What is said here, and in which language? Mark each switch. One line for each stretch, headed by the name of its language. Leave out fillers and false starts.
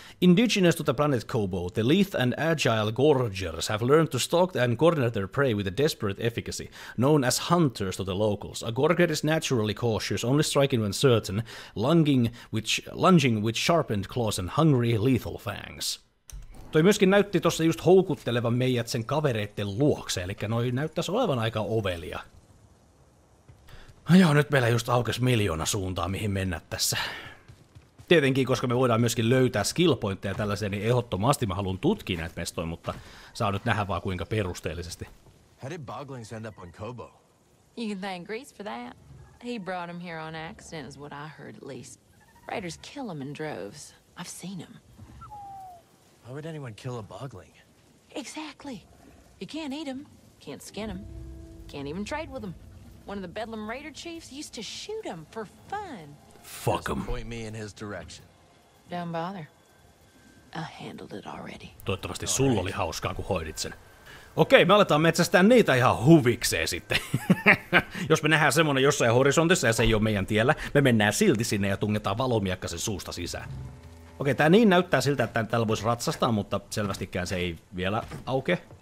English: Indigenous to the planet Kobo, the lithe and agile gorgers have learned to stalk and corner their prey with a desperate efficacy, known as hunters to the locals. A gorger is naturally cautious, only striking when certain, lunging with sharpened claws and hungry, lethal fangs.
Finnish: Toi myöskin näytti tossa just houkuttelevan meidät sen kavereitten luokse, eli noi näyttäisi olevan aika ovelia. No joo, nyt meillä just aukesi 1 000 000 suuntaa, mihin mennä tässä. Tietenkin, koska me voidaan myöskin löytää skillpointteja tällaisia, niin ehdottomasti mä haluan tutkia näitä mestoja, mutta saa nyt nähdä vaan kuinka perusteellisesti.
English: How did Boglings end up on Kobo? You can thank Grease for that. He brought him here on accident, is what I heard at least. Raiders kill him in droves. I've seen him. How would anyone kill a Bogling? Exactly. You can't eat him, can't skin him, can't even trade with him. One of the Bedlam Raider chiefs used to shoot him for fun. Fuck him. Point me in his direction. Don't bother. I handled it already.
Finnish: Toivottavasti sulla oli hauskaa, kun hoidit sen. Okei, me aletaan metsästää niitä ihan huvikseen sitten. Jos me nähdään semmonen jossain horisontissa ja se ei ole meidän tiellä, me mennään silti sinne ja tungetaan valomiekkasen suusta sisään. Okei, tää niin näyttää siltä, että täällä voisi ratsastaa, mutta selvästikään se ei vielä auke.